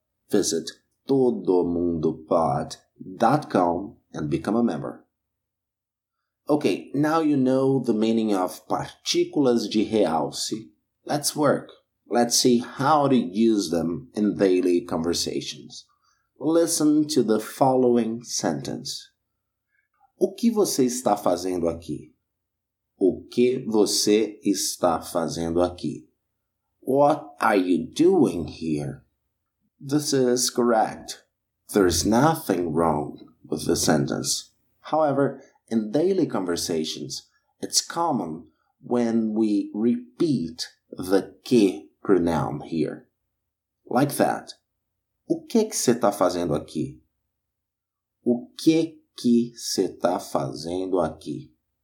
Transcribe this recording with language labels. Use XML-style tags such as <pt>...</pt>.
<en>Visit todomundopod.com and become a member. Okay, now you know the meaning of partículas de realce. Let's work. Let's see how to use them in daily conversations. Listen to the following sentence.</en> <pt>O que você está fazendo aqui? O que você está fazendo aqui?</pt> <en>What are you doing here? This is correct. There is nothing wrong with the sentence. However, in daily conversations, it's common when we repeat the que pronoun here. Like that.</en> <pt>O que você está fazendo aqui? O que você está fazendo aqui?</pt>